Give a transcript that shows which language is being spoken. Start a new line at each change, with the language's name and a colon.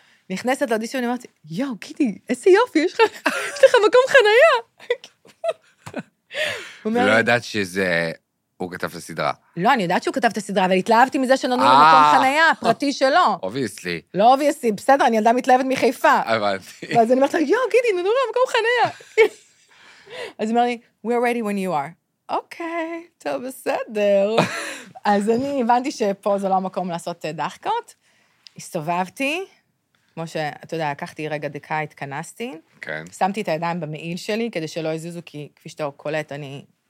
Hebrew: נכנסת לאודישן, אני אומרת, יואו, גידי, איזה יופי, יש לך מקום חנייה. ולא ידעת שזה, הוא כתב את הסדרה. לא, אני יודעת שהוא כתב את הסדרה, אבל התלהבתי מזה שנונו לו מקום חנייה, פרטי שלו. אובייסלי. לא אובייסלי, בסדר, אני ילדה מתלהבת מחיפה. הבנתי. ואז אני אומרת, יואו, גידי, נונו לו מקום חנייה. אז אמר לי,
English: we're ready when you are.
Hebrew: אוקיי, טוב, בסדר. אז אני הבנתי שפה זה לא המקום לעשות דחקות. הסתובבתי. כמו שאתה יודע, לקחתי רגע דקה, התכנסתי. כן. שמתי את הידיים במעיל שלי, כדי שלא יזוזו, כי כפי שאתה קולט, אני...